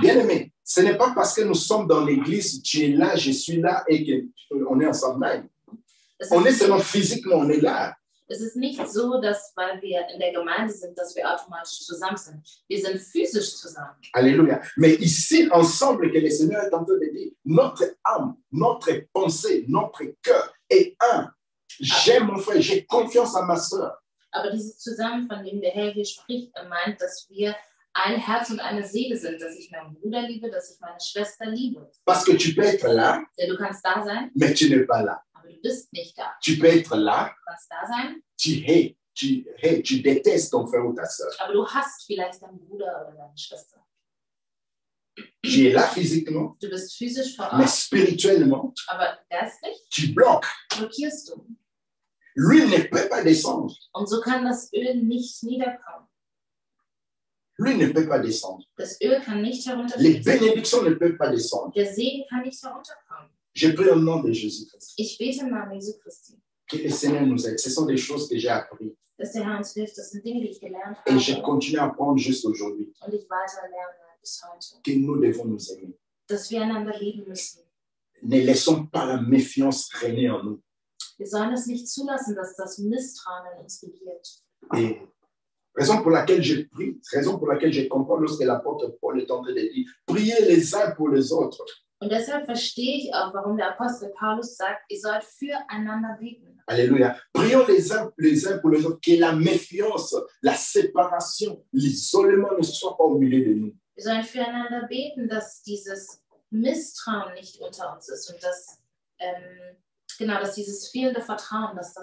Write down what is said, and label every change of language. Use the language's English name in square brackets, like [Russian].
[French] Bien aimé, ce n'est pas parce que nous sommes dans l'église, tu es là, je suis là et que on est ensemble. Nein. On est seulement physiquement, on est là. [German] Es ist nicht so, dass weil wir in der Gemeinde sind, dass wir automatisch zusammen sind. Wir sind physisch zusammen. [French] Alléluia. Mais ici, ensemble, que le Seigneur est en train de dire, notre âme, notre pensée, notre cœur est un. J'aime mon frère, j'ai confiance en ma sœur. [German] Aber dieses Zusammen, von dem der Herr hier spricht, meint, dass wir ein Herz und eine Seele sind, dass ich meinen Bruder liebe, dass ich meine Schwester liebe. [French] Parce que tu peux être là, [German] denn du kannst da sein, [French] mais tu n'es pas là. [German] Aber du bist nicht da. [French] Tu peux être là, [German] du kannst da sein, [French] tu détestes ton frère ou ta sœur. [German] Aber du hast vielleicht deinen Bruder oder deine Schwester. [French] Tu es là physiquement, [German] du bist physisch vor Ort, [French] mais spirituellement, [German] aber geistlich, [French] tu bloques. [German] Blockierst du. [French] L'huile ne peut pas descendre. [German] Und so kann das Öl nicht niederkommen. [French] L'huile ne peut pas descendre. [German] Das Öl kann nicht herunterkommen. [French] Les bénédictions ne peuvent pas descendre. [German] Der Segen kann nicht herunterkommen. [French] Je prie au nom de Jésus-Christ. [German] Ich bete im Namen Jesu Christi. [French] Que le Seigneur nous aide. Ce sont des choses que j'ai apprises. [German] Dass der Herr uns hilft, das sind Dinge, die ich gelernt habe. [French] Et je continue à apprendre juste aujourd'hui. [German] Und ich weiter lerne bis heute. [French] Que nous devons nous aimer. [German] Dass wir einander lieben müssen. [French] Ne laissons pas la méfiance régner en nous. [German] Wir sollen es nicht zulassen, dass das Misstrauen in uns regiert. [French] Et raison pour laquelle je prie, raison pour laquelle je comprends lorsque l'apôtre Paul est en train de dire, priez les uns pour les autres. [German] Und deshalb verstehe ich auch, warum der Apostel Paulus sagt, ihr sollt füreinander beten. [French] Alléluia. Prions les uns pour les autres, que la méfiance, la séparation, l'isolement ne soit pas au milieu de nous. [German] Wir sollen füreinander beten, dass dieses Misstrauen nicht unter uns ist und dass genau, dass dieses fehlende Vertrauen, dass das.